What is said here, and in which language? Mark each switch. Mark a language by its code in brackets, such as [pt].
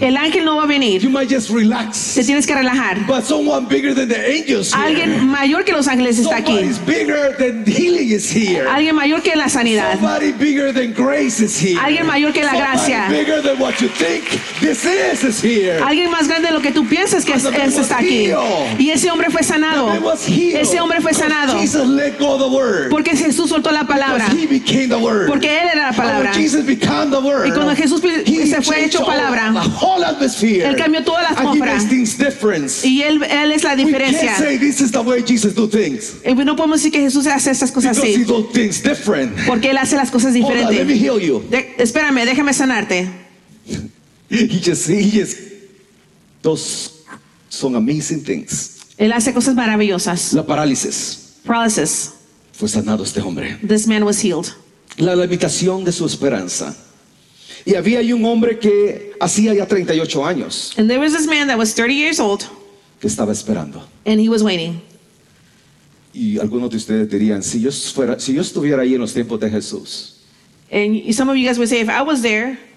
[es] El ángel no va a venir. [en] You might just relax. [es] Te tienes que relajar. [en] But someone bigger than the angels. [es] Alguien mayor que los ángeles está aquí. [en] Somebody bigger than healing is here. [es] Alguien mayor que la sanidad. [en] Somebody bigger than grace is here. [es] Alguien mayor que la gracia. [en] Somebody bigger than what you think this is here. [es] Alguien más grande de lo que tú piensas que es está aquí. Y ese hombre fue sanado. Ese hombre fue sanado. [en] Jesus let go of the word. [es] Porque Jesús soltó la palabra. [en] Because he became the word. [es] Porque él era la palabra. [en] And when Jesus became the word, [es] y cuando Jesús se fue hecho palabra, él cambió toda la atmósfera. Y él es la diferencia. [en] We can't say this is the way Jesus do things. [es] Y no podemos decir que Jesús hace estas cosas [en] because [es] así. [en] He do things different. [es] Porque él hace las cosas diferentes. [en] Hold on, let me heal you. [es] Espérame, déjame sanarte. [en] He just, those son amazing things. [es] Él hace cosas maravillosas. La parálisis. [en] Paralysis. [es] Fue sanado este hombre. [en] This man was healed. [es] La limitación de su esperanza. Y había ahí un hombre que hacía ya 38 años. [en] And there was this man that was 30 years old. [es] Que estaba esperando. [en] And he was waiting. [es] Y algunos de ustedes dirían, si yo estuviera ahí en los tiempos de Jesús. [en] And some of you guys would say, if I was there.